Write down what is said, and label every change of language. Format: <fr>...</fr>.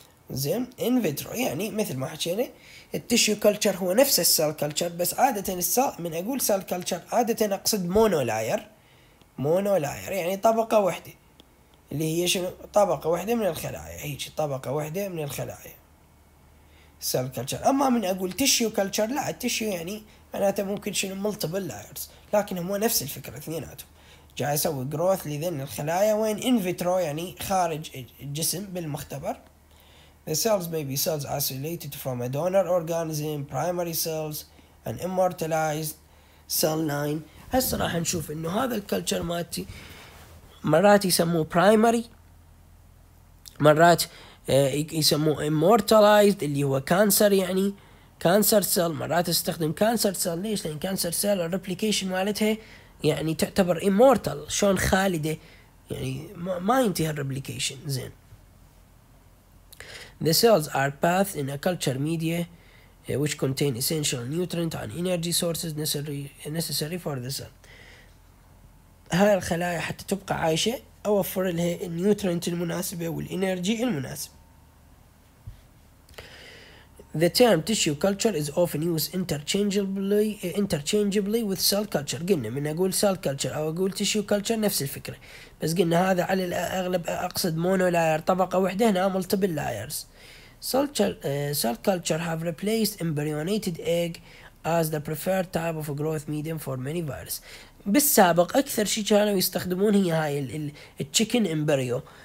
<ar>زين ان فيترو يعني مثل ما حكينا التيشو كلتشر هو نفس السيل كلتشر، بس عاده السيل من اقول سيل كلتشر عاده اقصد مونولاير، مونولاير يعني طبقه واحده اللي هي شنو طبقة واحدة من الخلايا، هيك طبقة واحدة من الخلايا سيل كلتشر. اما من اقول تيشو كلتشر لا، التيشو يعني معناته ممكن شنو ملتيبل لايرز، لكن هو نفس الفكرة اثنيناتهم جاي يسوي جروث لذن الخلايا، وين ان فيترو يعني خارج الجسم بالمختبر.</ar> <en>The cells may be cells isolated from a donor organism, primary cells and immortalized cell line.</en> <ar>هسه راح نشوف انه هذا الكلتشر مالتي مرات يسموه primary، مرات يسموه immortalized اللي هو cancer، يعني cancer cell. مرات استخدم cancer cell ليش؟ لأن cancer cell replication مالتها يعني تعتبر immortal، شون خالدة يعني ما ينتهي replication.</ar> <en>زين the cells are bathed in a culture media which contain essential nutrient and energy sources necessary for the cell.</en> <ar>هاي الخلايا حتى تبقى عايشة أوفر لها النيوترينت المناسبة والإنرجي المناسب.</ar> <en>The term tissue culture is often used interchangeably with cell culture.</en> <ar>قلنا من أقول cell culture أو أقول tissue culture نفس الفكرة. بس قلنا هذا على الأغلب أقصد mono layer طبقة واحدة هنا multiple layers.</ar> <en>Cell culture have replaced embryonated egg as the preferred type of growth medium for many viruses.</en> <ar>بالسابق أكثر شيء كانوا يستخدمون هي هاي ال chicken embryo.</ar>